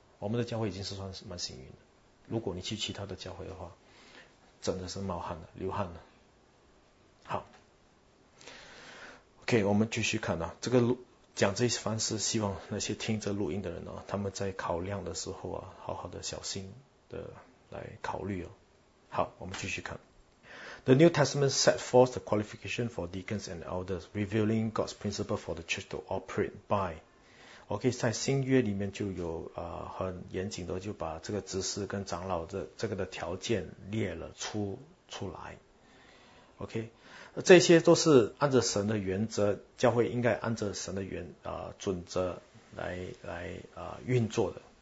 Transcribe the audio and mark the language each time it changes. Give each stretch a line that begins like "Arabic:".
Chinese: 我们的教会已经是算是蛮幸运的。如果你去其他的教会的话，真的是冒汗的，流汗的。好 ，OK， 我们继续看啊，这个路。讲这些方式，希望那些听着录音的人呢、哦，他们在考量的时候啊，好好的、小心的来考虑哦。好，我们继续看。
English: The New Testament set forth the qualification for deacons and elders, revealing God's principle for the church to operate by.
Chinese: OK， 在新约里面就有很严谨的就把这个执事跟长老的这个的条件列了出来。 OK。这些都是按着神的原则，教会应该按着神的准则来运作的。